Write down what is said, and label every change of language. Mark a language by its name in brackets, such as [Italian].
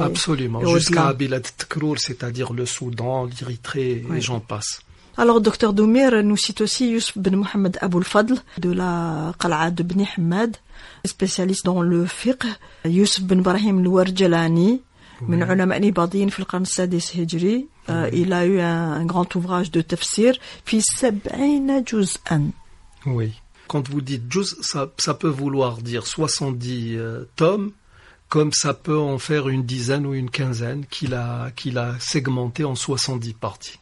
[French] Absolument, jusqu'à Bilad Tkrour, c'est-à-dire le Soudan, l'Érythrée et j'en passe. Alors, Dr Doumir nous cite aussi Yusuf bin Mohamed Aboulfadl de la Qal'a de Bni Hamad, spécialiste dans le fiqh, Yusuf bin Ibrahim Louar Jalani, [Arabic] من علماء الباضين في القرن السادس هجري. [French] Il a eu un grand ouvrage de tafsir [Arabic] في 70 جزءا. [French] Oui. Quand vous dites juz, ça peut vouloir dire 70 tomes, comme ça peut en faire une dizaine ou une quinzaine qu'il a segmenté en 70 parties.